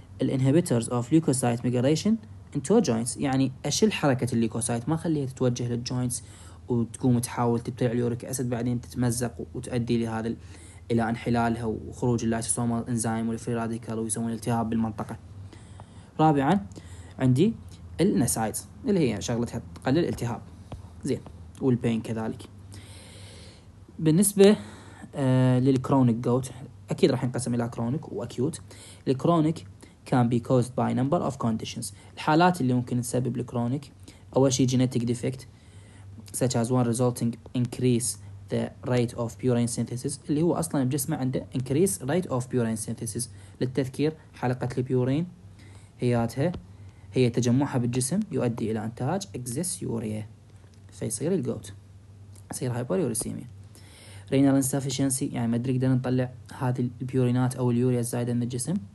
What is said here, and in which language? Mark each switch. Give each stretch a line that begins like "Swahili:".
English: الانهبيترز of leukocyte migration into joints,
Arabic: يعني اشل حركه الليوكوسايت ما خليها تتوجه للجوينتس وتقوم تحاول تبتلع اليوريك اسيد بعدين تتمزق وتؤدي لهذا الى انحلالها وخروج اللايسوسومال انزيم والفري راديكال ويسوون التهاب بالمنطقه. رابعا عندي النسايدز اللي هي شغلتها تقلل الالتهاب زين والبين كذلك. بالنسبه للكرونيك جوت اكيد راح ينقسم الى كرونيك واكيوت.
English: الكرونيك can be caused by number of conditions.
Arabic: الحالات اللي ممكن تسبب الكرونيك اول شيء
English: genetic defect such as one resulting increase the rate of purine synthesis
Arabic: اللي هو اصلا بجسمه عنده
English: increase rate of purine synthesis.
Arabic: للتذكير حلقه البيورين هياتها هي تجمعها بالجسم يؤدي الى انتاج excess urea فيصير الجوت يصير hyperuricemia. renal insufficiency يعني ما نقدر نطلع هذه البيورينات او اليوريا الزايده من الجسم.